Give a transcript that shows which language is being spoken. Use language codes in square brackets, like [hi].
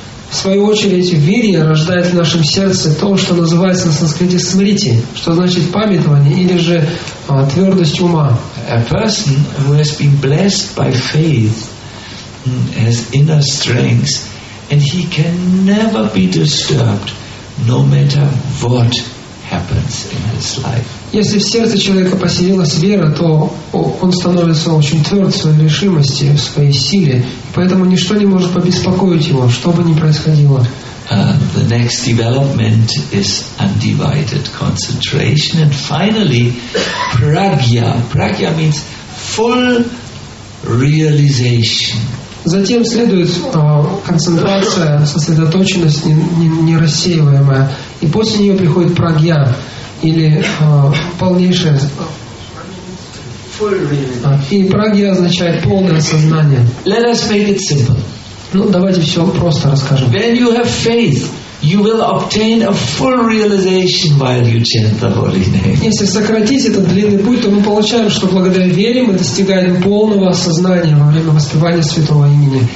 [ru] В свою очередь, вирья рождает в нашем сердце то, что называется на санскрите смрити, что значит памятование или же твердость ума. [en] A person who has been blessed by faith has inner strength, and he can never be disturbed, no matter what happens in his life. [ru] Если в сердце человека поселилась вера, то он становится очень тверд в своей решимости, в своей силе. Поэтому ничто не может побеспокоить его, что бы ни происходило. [en] The next development is undivided concentration. And finally, pragya. Pragya means full realization. [ru] Затем следует концентрация, сосредоточенность, нерассеиваемая. И после нее приходит прагья. Или полнейшее. И прагья означает полное сознание. [en] Let us make it simple. [ru] Ну, давайте все просто расскажем. [en] When you have faith, you will obtain a full realization while you chant the holy name. [ru] Если сократить этот длинный путь, то мы получаем, что благодаря вере мы достигаем полного сознания во время воспевания святого имени.